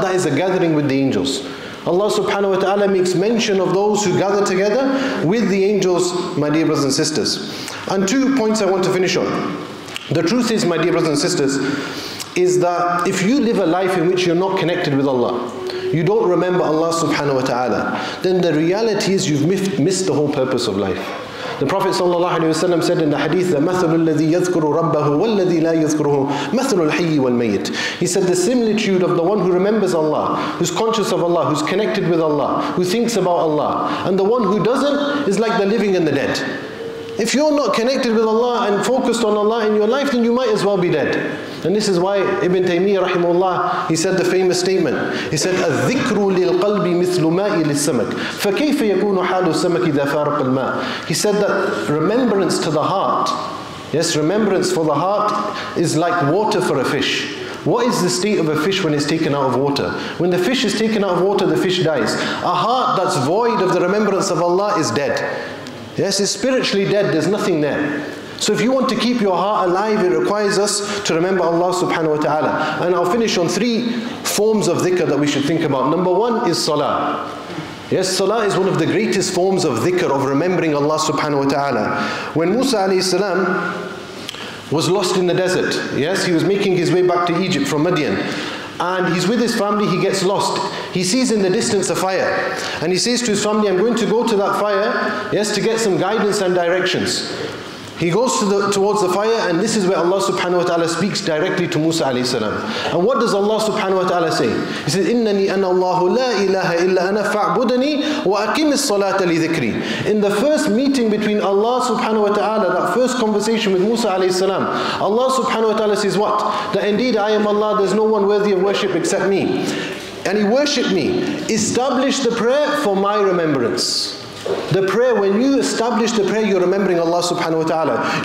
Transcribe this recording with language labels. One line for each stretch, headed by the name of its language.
English: That is a gathering with the angels. Allah subhanahu wa ta'ala makes mention of those who gather together with the angels, my dear brothers and sisters. And two points I want to finish on. The truth is, my dear brothers and sisters, is that if you live a life in which you're not connected with Allah, you don't remember Allah subhanahu wa ta'ala, then the reality is you've missed the whole purpose of life. The Prophet sallallahu alaihi wasallam said in the hadith,
Arabic: مَثَلُ الَّذِي يَذْكُرُ رَبَّهُ وَالَّذِي لَا يَذْكُرُهُ مَثَلُ الْحَيِّ وَالْمَيِّتِ.
English: He said the similitude of the one who remembers Allah, who's conscious of Allah, who's connected with Allah, who thinks about Allah, and the one who doesn't is like the living and the dead. If you're not connected with Allah and focused on Allah in your life, then you might as well be dead. And this is why Ibn Taymiyyah rahimahullah, he said the famous statement. He said,
Arabic: "الذِّكْرُ لِلْقَلْبِ مِثْلُ مَاءٍ لِلسَّمَكِ فَكَيْفَ يَكُونُ حَالُ السَّمَكِ إِذَا فَارَقَ الْمَاءِ."
English: He said that remembrance to the heart, yes, remembrance for the heart is like water for a fish. What is the state of a fish when it's taken out of water? When the fish is taken out of water, the fish dies. A heart that's void of the remembrance of Allah is dead. Yes, it's spiritually dead, there's nothing there. So if you want to keep your heart alive, it requires us to remember Allah subhanahu wa ta'ala. And I'll finish on three forms of dhikr that we should think about. Number one is salah. Yes, salah is one of the greatest forms of dhikr, of remembering Allah subhanahu wa ta'ala. When Musa alayhi salam was lost in the desert, yes, he was making his way back to Egypt from Midian. And he's with his family, he gets lost. He sees in the distance a fire. And he says to his family, I'm going to go to that fire, yes, to get some guidance and directions. He goes towards the fire, and this is where Allah subhanahu wa ta'ala speaks directly to Musa alayhi salam. And what does Allah subhanahu wa ta'ala say? He says,
Arabic: إِنَّنِي أَنَا اللَّهُ لَا إِلَّهَ إِلَّا أَنَا فَاعْبُدَنِي وَأَكِمِ الصَّلَاةَ لِذِكْرِي.
English: In the first meeting between Allah subhanahu wa ta'ala, that first conversation with Musa alayhi salam, Allah subhanahu wa ta'ala says what? That indeed I am Allah, there's no one worthy of worship except me. And he worshipped me. Establish the prayer for my remembrance. The prayer, when you establish the prayer, you're remembering Allah subhanahu wa ta'ala.